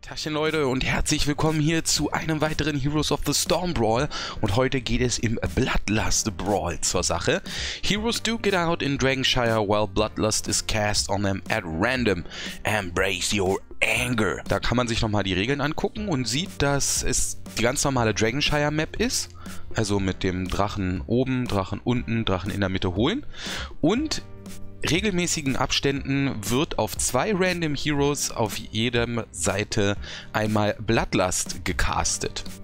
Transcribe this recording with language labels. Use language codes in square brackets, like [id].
[de] Tachchen Leute und herzlich willkommen hier zu einem weiteren Heroes of the Storm Brawl und heute geht es im Bloodlust Brawl zur Sache. [en] Heroes do get out in Dragonshire while Bloodlust is cast on them at random. Embrace your anger. [de] Da kann man sich nochmal die Regeln angucken und sieht, dass es die ganz normale Dragonshire Map ist. Also mit dem Drachen oben, Drachen unten, Drachen in der Mitte holen und regelmäßigen Abständen wird auf zwei Random Heroes auf jeder Seite einmal Bloodlust gecastet.